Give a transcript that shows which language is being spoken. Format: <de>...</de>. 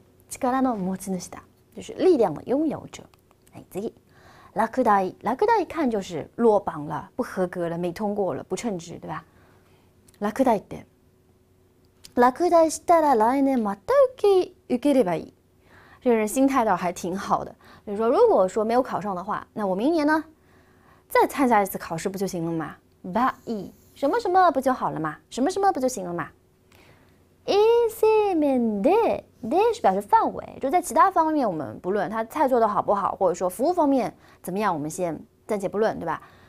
<ja>力の持ち主だ。</ja> <zh>就是力量的拥有者。哎，注意，ラクダイ，ラクダイ一看就是落榜了，不合格了，没通过了，不称职，对吧？</zh> <ja>ラクダイって、ラクダイしたら来年また受ければいい。</ja> <zh>这个人心态倒还挺好的，就是说，如果说没有考上的话，那我明年呢，再参加一次考试不就行了吗？バイ，什么什么不就好了吗？什么什么不就行了吗？衛生面で、で是表示范围，就在其他方面我们不论他菜做的好不好，或者说服务方面怎么样，我们先暂且不论，对吧？</zh>